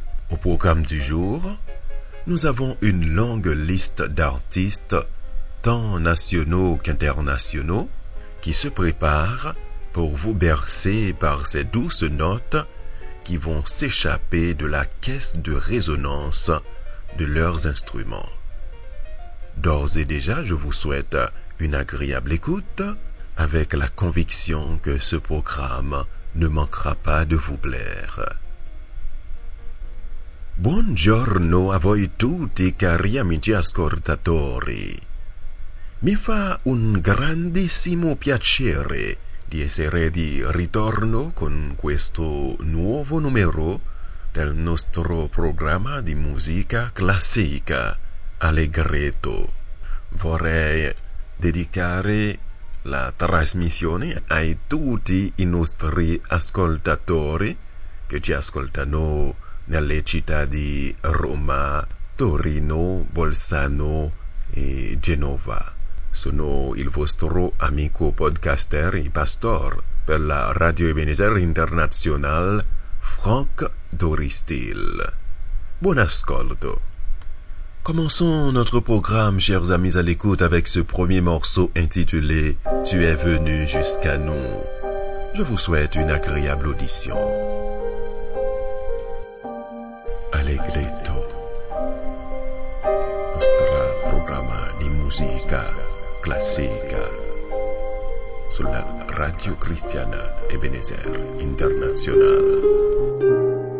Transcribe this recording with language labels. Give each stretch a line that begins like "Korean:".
French: Au programme du jour, nous avons une longue liste d'artistes, tant nationaux qu'internationaux, qui se préparent pour vous bercer par ces douces notes qui vont s'échapper de la caisse de résonance de leurs instruments. D'ores et déjà, je vous souhaite une agréable écoute avec la conviction que ce programme ne manquera pas de vous plaire.
Italian: Buongiorno a voi tutti, cari amici ascoltatori. Mi fa un grandissimo piacere di essere di ritorno con questo nuovo numero del nostro programma di musica classica, Allegretto. Vorrei dedicare la trasmissione a tutti i nostri ascoltatori che ci ascoltano nelle città di Roma, Torino, Bolzano e Genova. Sono il vostro amico podcaster e pastor per la Radio Ebenezer International, Franck Doristil. Buon ascolto!
French: Commençons notre programme, chers amis à l'écoute, avec ce premier morceau intitulé « Tu es venu jusqu'à nous ». Je vous souhaite une agréable audition.
Italian: Allegretto, nostro programma di musica classica sulla Radio Cristiana Ebenezer Internazionale.